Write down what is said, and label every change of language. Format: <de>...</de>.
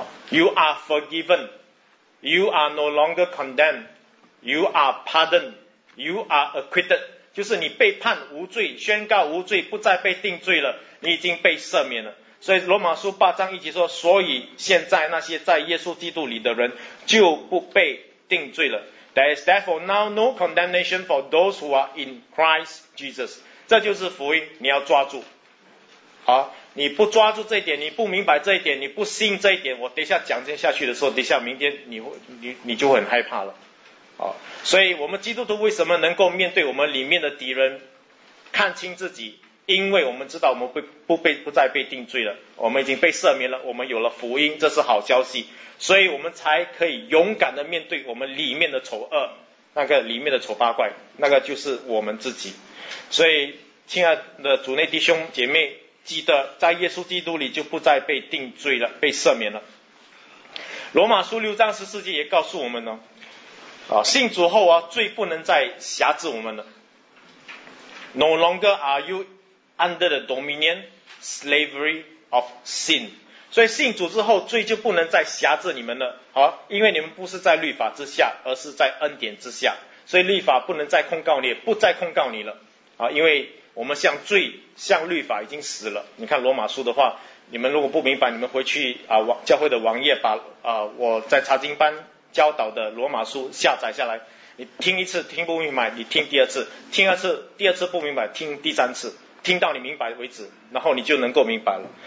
<en>You are forgiven. You are no longer condemned. You are pardoned. You are acquitted.</en> <zh>就是你被判无罪，宣告无罪，不再被定罪了，你已经被赦免了。所以罗马书八章一节说，所以现在那些在耶稣基督里的人就不被定罪了。</zh> <en>There is therefore now no condemnation for those who are in Christ Jesus.</en> <zh>这就是福音，你要抓住。好，你不抓住这一点，你不明白这一点，你不信这一点，我等一下讲下去的时候，等一下明天你就很害怕了。所以我们基督徒为什么能够面对我们里面的敌人，看清自己？因为我们知道我们不再被定罪了，我们已经被赦免了，我们有了福音，这是好消息，所以我们才可以勇敢的面对我们里面的丑恶，那个里面的丑八怪，那个就是我们自己。所以亲爱的主内弟兄姐妹，记得在耶稣基督里就不再被定罪了，被赦免了。罗马书六章十四节也告诉我们呢，信主后罪不能再辖制我们了。</zh> <en>No longer are you under the dominion slavery of sin.</en> <zh>所以信主之后，罪就不能再辖制你们了，好，因为你们不是在律法之下，而是在恩典之下，所以律法不能再控告你，不再控告你了，好，因为我们向罪向律法已经死了。你看罗马书的话，你们如果不明白，你们回去啊，教会的网页把啊我在查经班教导的罗马书下载下来，你听一次听不明白，你听第二次，听二次，第二次不明白，听第三次，听到你明白为止，然后你就能够明白了。</zh>